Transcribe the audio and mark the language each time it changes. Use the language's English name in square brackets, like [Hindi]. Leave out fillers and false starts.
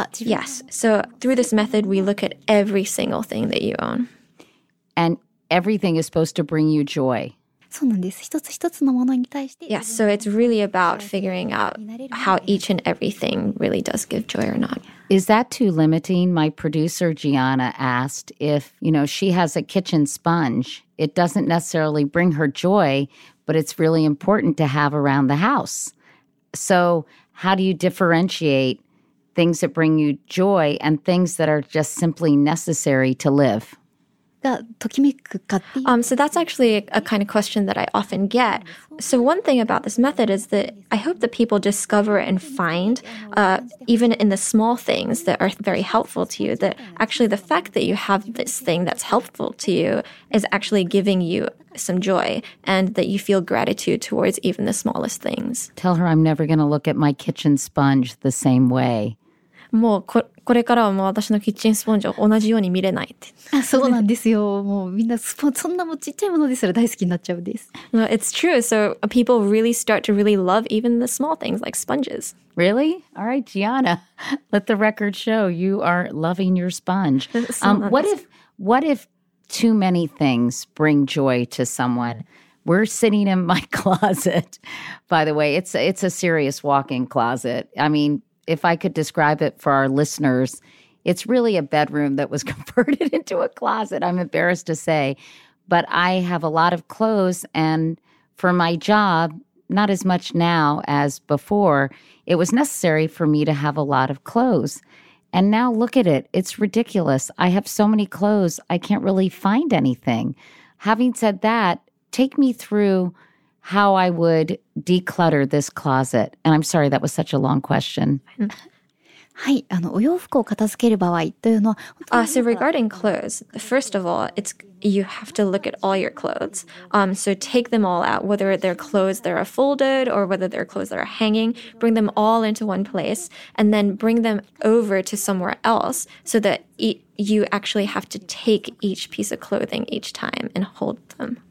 [English] Yes. So through this method, we look at every single thing that you own. And everything is supposed to bring you joy. [Japanese] そうなんです。一つ一つのものに対して。 [English] Yes, so it's really about figuring out how each and everything really does give joy or not. Is that too limiting? My producer Gianna asked if, you know, she has a kitchen sponge. It doesn't necessarily bring her joy, but it's really important to have around the house. So how do you differentiate things that bring you joy and things that are just simply necessary to live? So that's actually a kind of question that I often get. So one thing about this method is that I hope that people discover and find, even in the small things that are very helpful to you, that actually the fact that you have this thing that's helpful to you is actually giving you some joy and that you feel gratitude towards even the smallest things. Tell her I'm never going to look at my kitchen sponge the same way. [Japanese] もうこれからはもう私のキッチンスポンジを同じように見れないって。そうなんですよ。もうみんなスポンそんなもちっちゃいものですら大好きになっちゃうんです。 [English] No, it's true. So people really start to really love even the small things like sponges. Really? All right, Gianna. Let the record show you are loving your sponge. What if too many things bring joy to someone? We're sitting in my closet. By the way, it's a serious walk-in closet. I mean... If I could describe it for our listeners, it's really a bedroom that was converted into a closet. I'm embarrassed to say, but I have a lot of clothes. And for my job, not as much now as before, it was necessary for me to have a lot of clothes. And now look at it. It's ridiculous. I have so many clothes, I can't really find anything. Having said that, take me through... how I would declutter this closet. And I'm sorry, that was such a long question. [Japanese] はい、あの、お洋服を片付ける場合というのは、 [English] So regarding clothes, first of all, it's, you have to look at all your clothes. So take them all out, whether they're clothes that are folded or whether they're clothes that are hanging, bring them all into one place and then bring them over to somewhere else so that you actually have to take each piece of clothing each time and hold them.